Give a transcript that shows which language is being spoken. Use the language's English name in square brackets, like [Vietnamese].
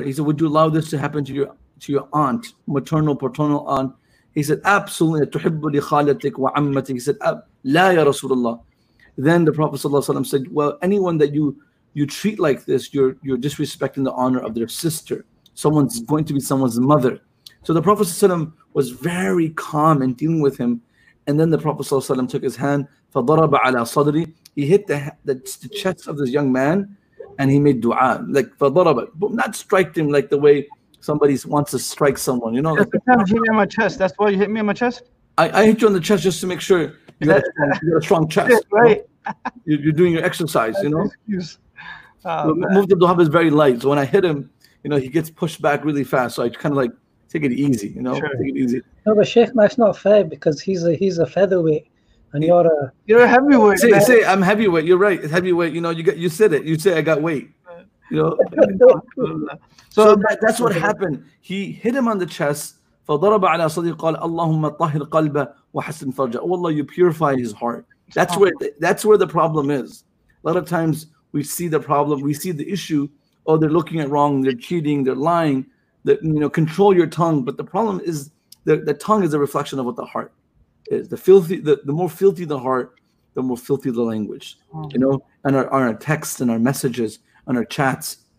[English] He said, would you allow this to happen to your aunt, maternal, paternal aunt? He said, absolutely. [Arabic] تُحِبُّ لِخَالَتِكْ وَعَمَّتِكْ. [English] He said, [Arabic] لَا يَا رَسُولَ اللَّهِ. [English] Then the Prophet ﷺ said, well, anyone that you treat like this, you're disrespecting the honor of their sister. Someone's going to be someone's mother. So the Prophet ﷺ was very calm in dealing with him. And then the Prophet ﷺ took his hand, [Arabic] فَضَرَبَ عَلَىٰ صَدْرِ. [English] He hit the chest of this young man and he made dua. Like, فَضَرَبَ. But not strike him like the way somebody wants to strike someone, Sometimes you hit me on my chest. That's why you hit me on my chest? I hit you on the chest just to make sure you got a strong chest. Right. You're doing your exercise, Excuse. Muftid Abdul Wahhab is very light. So when I hit him, you know, he gets pushed back really fast. So I kind of like take it easy, you know, sure. Take it easy. No, but Sheikh, that's not fair because he's a featherweight. And you're a heavyweight. Say I'm heavyweight. You're right. It's heavyweight. You know, you said it. You say I got weight. You know. So that's what happened. He hit him on the chest. [Arabic] فضرب على صديق قال اللهم طهر قلبه وحسن فرجه. [English] Oh Allah, you purify his heart. That's where the problem is. A lot of times we see the problem, we see the issue. Oh, they're looking at wrong. They're cheating. They're lying. That, you know, control your tongue. But the problem is the tongue is a reflection of what the heart. Is the filthy, the more filthy the heart, the more filthy the language, you know, and our texts and our messages and our chats.